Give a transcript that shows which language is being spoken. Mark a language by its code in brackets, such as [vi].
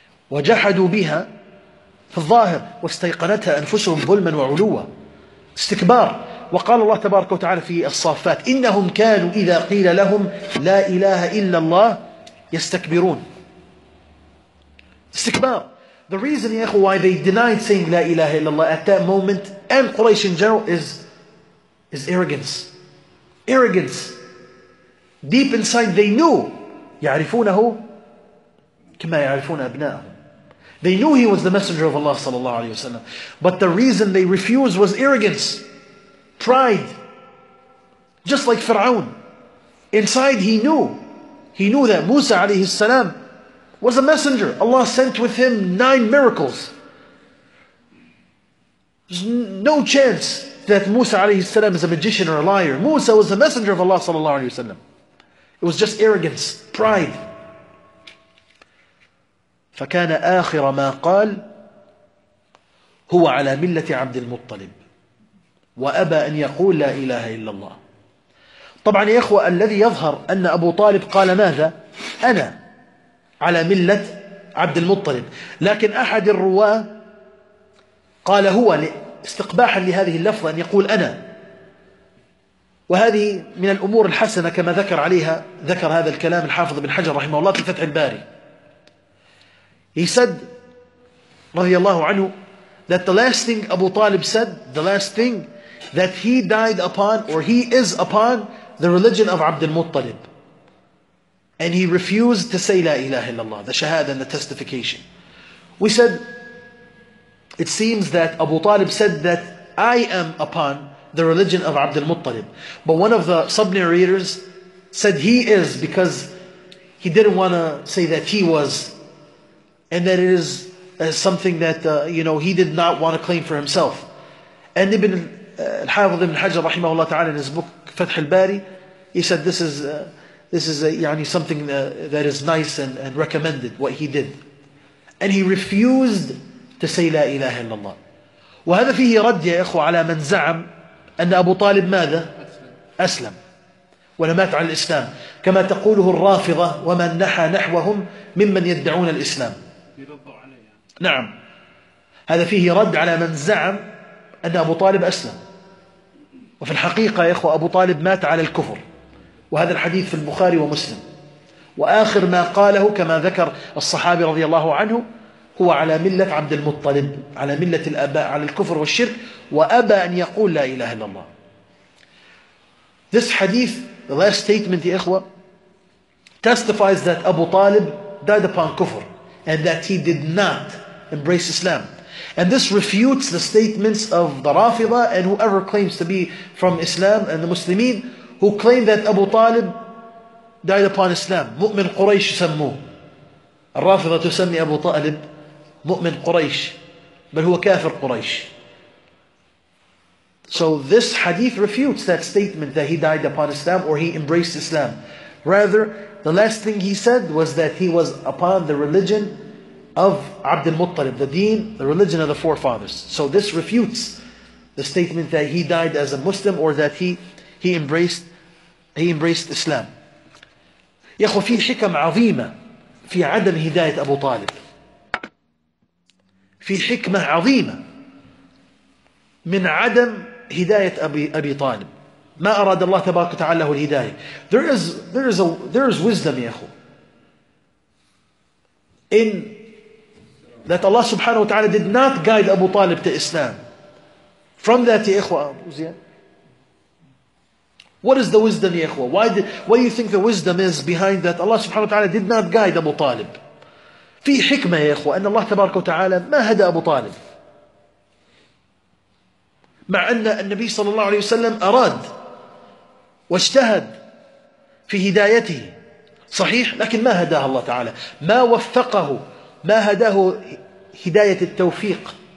[ar] وجحدوا بها في الظاهر واستيقنتها أنفسهم ظلما وعلوا استكبار وقال الله تبارك وتعالى في الصافات إنهم كانوا إذا قيل لهم لا إله إلا الله يستكبرون استكبار [en] The reason [ar] يا إخوة [en] why they denied saying [ar] لا إله إلا الله [en] at that moment and Quraysh in general is arrogance. Arrogance. Deep inside they knew. [ar] يعرفونه كما يعرفون أبناءهم. [en] They knew he was the messenger of Allah صلى الله عليه وسلم. But the reason they refused was arrogance. Pride. Just like Fir'aun. Inside he knew. He knew that Musa عليه السلام was a messenger. Allah sent with him 9 miracles. There's no chance that Musa alayhi salam is a magician or a liar. Musa was the messenger of Allah sallallahu alayhi wasallam. It was just arrogance, pride. [ar] فكان آخر ما قال هو على ملة عبد المطلب وأبى أن يقول لا إله إلا الله. طبعا يا إخوة الذي يظهر أن أبو طالب قال ماذا؟ أنا على ملة عبد المطلب. لكن أحد الرواة قال هو استقباحا لهذه اللفظة أن يقول أنا وهذه من الأمور الحسنة كما ذكر عليها ذكر هذا الكلام الحافظ بن حجر رحمه الله في فتح الباري [en] He said رضي الله عنه that the last thing Abu Talib said the last thing that he died upon or he is upon the religion of Abd al-Muttalib and he refused to say لا إله إلا الله the shahada and the testification we said It seems that Abu Talib said that I am upon the religion of Abd al-Muttalib. But one of the sub-narrators said he is because he didn't want to say that he was. And that it is something that you know he did not want to claim for himself. And Ibn al-Hafidh ibn Hajar rahimahullah ta'ala in his book Fath al-Bari, he said this is something that is nice and recommended what he did. And he refused to say [ar] لا إله إلا الله وهذا فيه رد يا إخوة على من زعم أن أبو طالب ماذا أسلم ولمات على الإسلام كما تقوله الرافضة ومن نحى نحوهم ممن يدعون الإسلام نعم هذا فيه رد على من زعم أن أبو طالب أسلم، وفي الحقيقة يا إخوة أبو طالب مات على الكفر، وهذا الحديث في البخاري ومسلم. وآخر ما قاله كما ذكر الصحابي رضي الله عنه هو على ملة عبد المطلب، على ملة الآباء، على الكفر والشرك، وأبى أن يقول لا إله إلا الله. [en] This hadith, the last statement, يا إخوة, testifies that Abu Talib died upon kufr and that he did not embrace Islam. And this refutes the statements of the Rafida and whoever claims to be from Islam and the Muslimin who claim that Abu Talib died upon Islam. [ar] مؤمن قريش سموه. الرافضة تسمي أبو طالب مؤمن قريش، بل هو كافر قريش. [en] So this hadith refutes that statement that he died upon Islam or he embraced Islam. Rather, the last thing he said was that he was upon the religion of Abd al-Muttalib, the deen, the religion of the forefathers. So this refutes the statement that he died as a Muslim or that he embraced Islam. [ar] يخو في حكم عظيمة في عدم هداية أبو طالب، في حكمة عظيمة من عدم هداية أبي طالب، ما أراد الله تبارك وتعالى له الهداية. [en] There is wisdom يخو in that Allah سبحانه وتعالى did not guide أبو طالب to Islam. From that يخو أبو زيان. What is the wisdom, ya ikhwa? What do you think the wisdom is behind that? Allah subhanahu wa ta'ala did not guide Abu Talib. [ar] في حكمة يا إخوة أن الله تبارك وتعالى ما هدى أبو طالب، مع أن النبي صلى الله عليه وسلم أراد واجتهد في هدايته، صحيح، لكن ما هداه الله تعالى، ما وفقه، ما هداه هداية التوفيق.